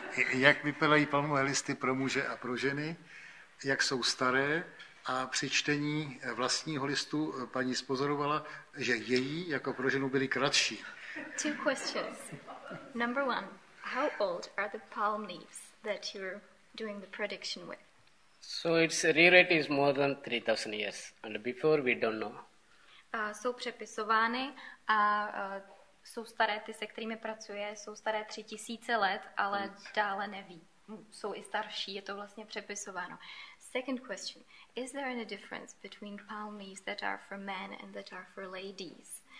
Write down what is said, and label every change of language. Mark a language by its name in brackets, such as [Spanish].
[Czech] Jak vypadají palmové listy pro muže a pro ženy, jak jsou staré a při čtení vlastního listu paní spozorovala, že její jako pro ženu byly kratší. [English] Two questions. Number one, how old are the palm leaves that you're doing the prediction with? So its rewrite is more than 3,000 years, and before we don't know. [Czech] Jsou přepisovány a jsou staré ty, se kterými pracuje, jsou staré 3,000 let, ale dále neví. Jsou i starší, je to vlastně přepisováno. [English] Second question, is there any difference between palm leaves that are for men and that are for ladies?